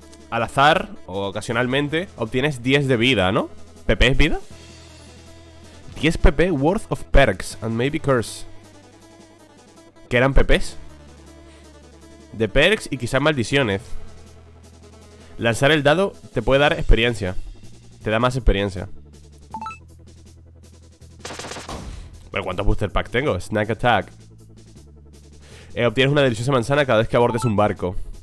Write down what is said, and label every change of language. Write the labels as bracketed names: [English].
[Spanish] Al azar o ocasionalmente obtienes 10 de vida, ¿no? ¿PP es vida? [English] 10 PP worth of perks and maybe curse. [Spanish] ¿Qué eran PPs? De perks y quizás maldiciones. Lanzar el dado te puede dar experiencia. Te da más experiencia. Bueno, ¿cuántos booster pack tengo? Snack attack. Obtienes una deliciosa manzana cada vez que abordes un barco.